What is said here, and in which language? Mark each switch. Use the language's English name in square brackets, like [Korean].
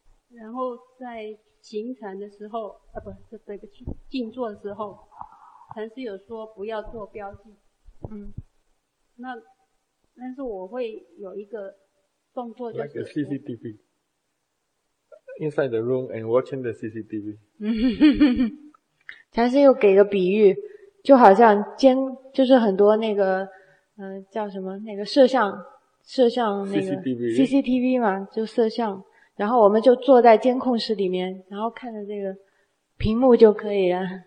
[Chinese] 然后在行禅的时候啊，不是对不起静坐的时候禅师有说不要做标记嗯，那但是我会有一个动作就是 [English] like a CCTV inside the room and watching the CCTV [Chinese] 禅师又给个比喻，就好像监，就是很多那个，叫什么那个摄像那个 [English] CCTV [Chinese] 嘛，就摄像。然后我们就坐在监控室里面，然后看着这个屏幕就可以了。